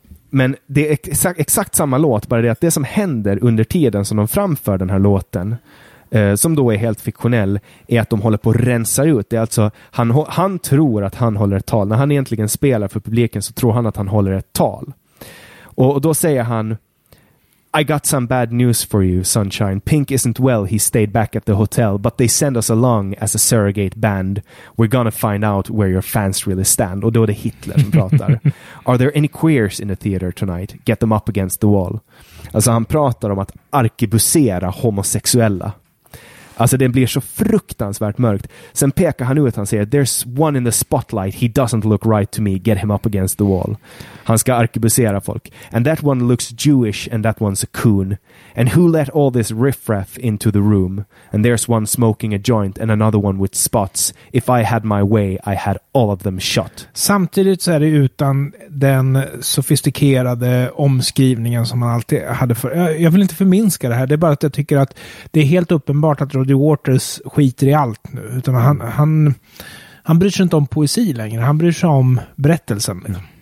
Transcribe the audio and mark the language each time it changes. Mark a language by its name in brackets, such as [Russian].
[Swedish] Men det är exakt samma låt, bara det att det som händer under tiden som de framför den här låten, som då är helt fiktionell, är att de håller på att rensa ut. Det är alltså, han tror att han håller ett tal. När han egentligen spelar för publiken så tror han att han håller ett tal. Och då säger han [English] I got some bad news for you, sunshine. Pink isn't well, he stayed back at the hotel. But they send us along as a surrogate band. We're gonna find out where your fans really stand. [Swedish] Och då är det Hitler som pratar. [English] Are there any queers in the theater tonight? Get them up against the wall. [Swedish] Alltså han pratar om att arkebusera homosexuella. Alltså det blir så fruktansvärt mörkt. Sen pekar han ut, han säger [English] There's one in the spotlight, he doesn't look right to me. Get him up against the wall. [Swedish] Han ska arkebusera folk. [English] And that one looks Jewish and that one's a coon. And who let all this riffraff into the room? And there's one smoking a joint and another one with spots. If I had my way, I had all of them shot. [Swedish] Samtidigt så är det utan den sofistikerade omskrivningen som man alltid hade för. Jag vill inte förminska det här, det är bara att jag tycker att det är helt uppenbart att Roger Waters skiter i allt nu, utan han bryr sig inte om poesi längre, han bryr sig om berättelsen.